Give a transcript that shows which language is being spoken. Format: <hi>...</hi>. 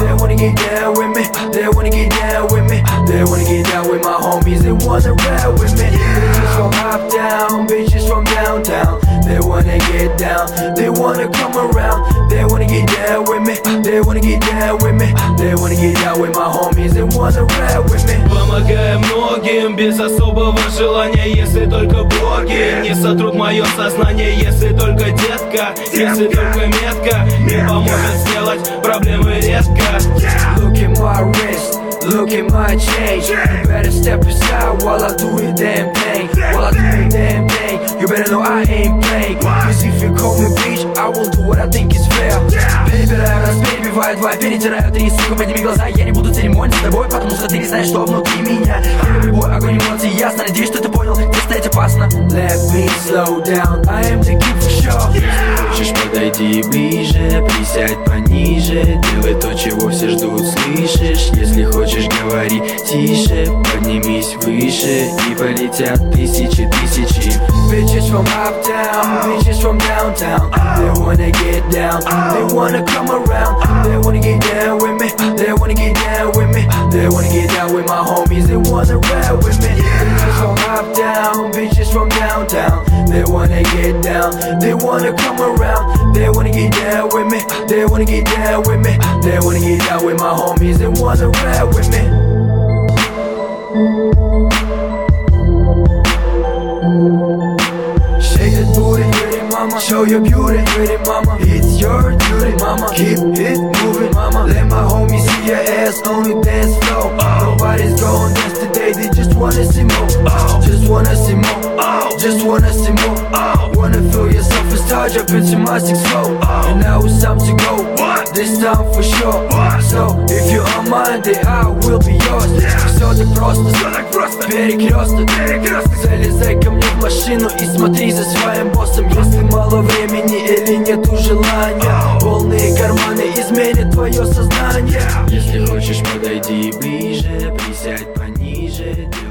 <en>They wanna get down with me, they wanna get down with me. They wanna get down with my homies, they wanna ride with me. Bitches from uptown, bitches from downtown. They wanna get down, they wanna come around. They wanna get down with me, they wanna get down with me. They wanna get down with my homies, they wanna ride with me.</en> <ru>Помогаем многим без особого желания, если только боги не сотрут мое сознание, если только детка, если только метка не поможет сделать проблемы редко.</ru> <en>Look at my wrist, look at my chain. You better step aside while I do the damn thing, while I do the damn thing. You better know I ain't playing. Cause if you call me bitch, I will do what I think is fair.</en> <ru>Перебираю раз, перебиваю два, перетираю три, сука, подними глаза. Я не буду церемониться с тобой, потому что ты не знаешь, что внутри меня. Я люблю бой, огонь, эмоции, ясно, надеюсь, что ты понял, где стоять опасно.</ru> <en>Let me slow down, I am the king for sure.</en> <ru>Хочешь, подойди ближе, присядь пониже. Делай то, чего все ждут, слышишь? Если хочешь, говори тише. Поднимись выше, и полетят тысячи, тысячи.</ru> <en>Bitches from uptown, bitches from downtown. They wanna get down, they wanna come around. They wanna get down with me, they wanna get down with me. They wanna get down with my homies, they wanna ride with me. Bitches from uptown, bitches from downtown. They wanna get down, they wanna come around. They wanna get down with me, they wanna get down with me. They wanna get down with my homies, they wanna ride with me. Shake that booty, pretty mama. Show your beauty, pretty mama. It's your duty, mama. Keep it moving, mama. Let my homies see your ass on the dance floor. Nobody's gone yesterday, they just wanna see more. Just wanna see more. Just wanna see more. Wanna feel yourself a star, jump into my sixth floor. And now it's time to go. This time for sure. So if you are mine, then I will be yours.</en> <ru>Все так просто, все так просто. Перекресток, перекресток. Залезай ко мне в машину и смотри за своим боссом. Если мало времени или нету желания, полные карманы изменят твое сознание. Если хочешь, подойди ближе, присядь пониже.</ru>